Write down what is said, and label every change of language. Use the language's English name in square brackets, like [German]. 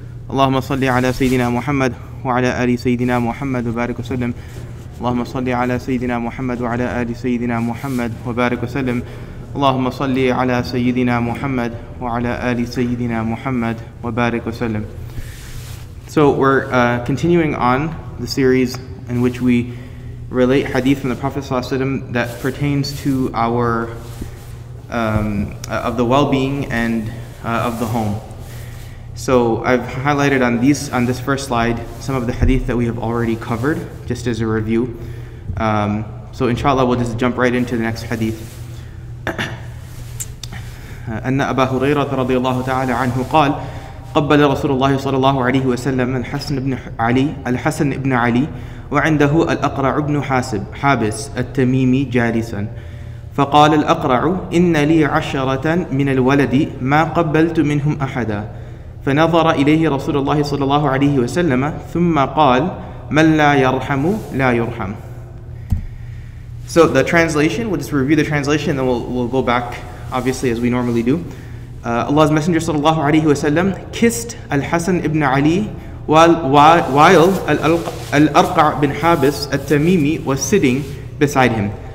[Arabic] اللهم صل على سيدنا محمد وعلى آل سيدنا محمد وبارك وسلم. اللهم صل على سيدنا محمد وعلى آل سيدنا محمد وبارك وسلم. اللهم صل على سيدنا محمد وعلى آل سيدنا محمد وبارك وسلم. [English] So we're continuing on the series in which we relate hadith from the Prophet Sallallahu Alaihi Wasallam that pertains to our of the well-being and of the home. So I've highlighted on this first slide some of the hadith that we have already covered, just as a review. So inshallah, we'll just jump right into the next hadith. [Arabic] أَنَّ أَبَا هُرَيْرَةَ رَضِيَ اللَّهُ تَعَالَى عَنْهُ قَالَ قبل رسول الله صلى الله عليه وسلم الحسن بن علي وعنده الأقرع بن حابس التميمي جالسا فقال الأقرع إن لي عشرة من الولد ما قبلت منهم أحدا فنظر إليه رسول الله صلى الله عليه وسلم ثم قال من لا يرحم لا يرحم. [English] So the translation, we'll just review the translation, then we'll go back obviously as we normally do. Allah's Messenger sallallahu alayhi wa sallam kissed Al-Hasan ibn Ali while Al-Arqa' bin Habis Al-Tamimi was sitting beside him.